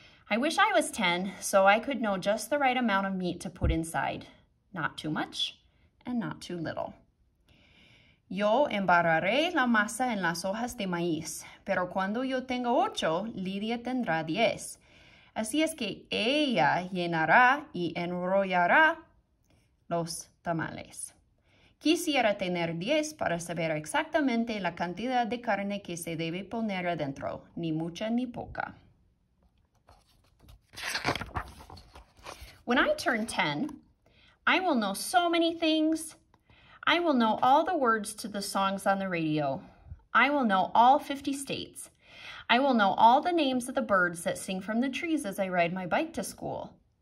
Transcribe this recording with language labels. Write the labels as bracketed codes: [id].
[en] I wish I was 10, so I could know just the right amount of meat to put inside. Not too much and not too little. [es] Yo embarraré la masa en las hojas de maíz, pero cuando yo tenga 8, Lidia tendrá 10. Así es que ella llenará y enrollará los tamales. Quisiera tener 10 para saber exactamente la cantidad de carne que se debe poner adentro, ni mucha ni poca. [en] When I turn 10, I will know so many things. I will know all the words to the songs on the radio. I will know all 50 states. I will know all the names of the birds that sing from the trees as I ride my bike to school.